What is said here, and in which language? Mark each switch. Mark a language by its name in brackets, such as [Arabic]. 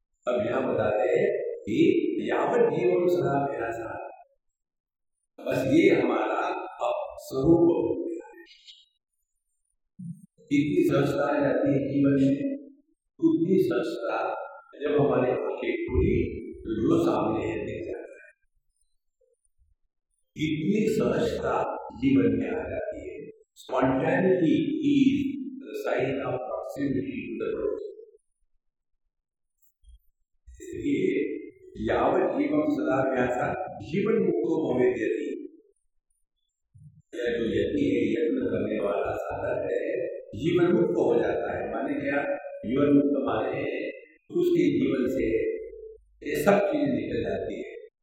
[Hindi] अब यहाँ बताते हैं कि यावत जीवन सदा मेरा सा, बस ये हमारा अब स्वरूप हो गया है। कितनी स्वच्छता आ जाती है जीवन में, उतनी स्वच्छता जब हमारे आंखें खुली तो जो सामने है देख जाता है। कितनी स्वच्छता जीवन में आ जाती है, [English] spontaneity is the sign of proximity to the Lord। [Hindi] इसलिए [Sanskrit] यावत जीवम सदा व्यासा जीवन मुक्तो भवेत [Hindi] यदि, जो यदि है यत्न करने वाला साधक है जीवन मुक्त हो जाता है। माने क्या, जीवन मुक्त माने उसके जीवन से ये सब चीज निकल जाती है।